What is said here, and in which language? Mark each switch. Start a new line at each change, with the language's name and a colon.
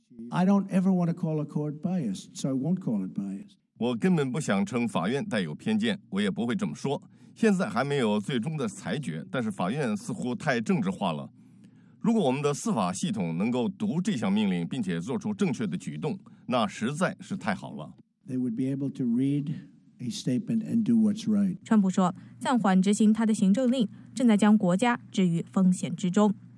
English: I don't ever want to call a court biased, so I won't call it biased.
Chinese: 我根本不想称法院带有偏见，我也不会这么说。现在还没有最终的裁决，但是法院似乎太政治化了。如果我们的司法系统能够读这项命令并且做出正确的举动，那实在是太好了。
English: They would be able to read a statement and do what's right.
Chinese: 川普说，暂缓执行他的行政令，正在将国家置于风险之中。